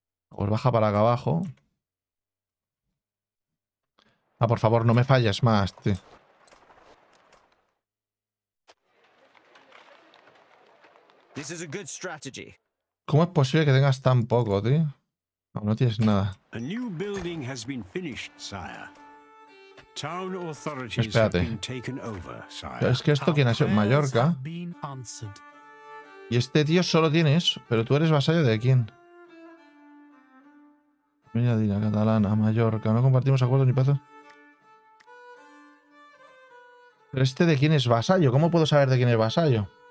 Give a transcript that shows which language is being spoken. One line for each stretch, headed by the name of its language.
Spanish: Pues baja para acá abajo. Ah, por favor, no me falles más, tío.
English: This is a good strategy.
Spanish: ¿Cómo es posible que tengas tan poco, tío? No, no tienes nada.
English: A new building has been finished, sire. Town authorities have been taken over, sire.
Spanish: Es que esto, ¿quién ha sido? Mallorca. Y este tío solo tiene eso. ¿Pero tú eres vasallo de quién? Mira, dina catalana, Mallorca. No compartimos acuerdos ni pazos. ¿Pero este de quién es vasallo? ¿Cómo puedo saber de quién es vasallo?